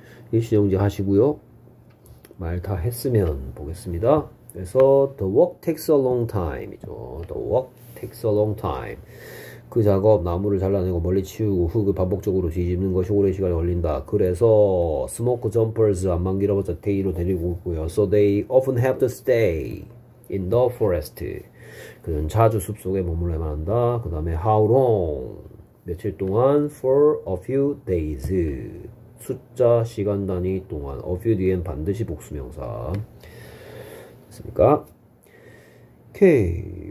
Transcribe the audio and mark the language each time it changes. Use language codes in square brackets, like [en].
[ko] 일시정지 하시고요. 말다 했으면 보겠습니다. [en] 그래서 the work takes a long time이죠. The work takes a long time. [ko] 그 작업 나무를 잘라내고 멀리 치우고 흙을 반복적으로 뒤집는 것이 오랜 시간이 걸린다. 그래서 smoke jumpers 안만 길어봤자 day로 데리고 있고요. [en] So they often have to stay in the forest. [ko] 그는 자주 숲속에 머물러야만 한다. 그 다음에 [en] how long? [ko] 며칠 동안? [en] For a few days. [ko] 숫자, 시간 단위 동안, a few 뒤엔 반드시 복수명사. 됐습니까? 오케이.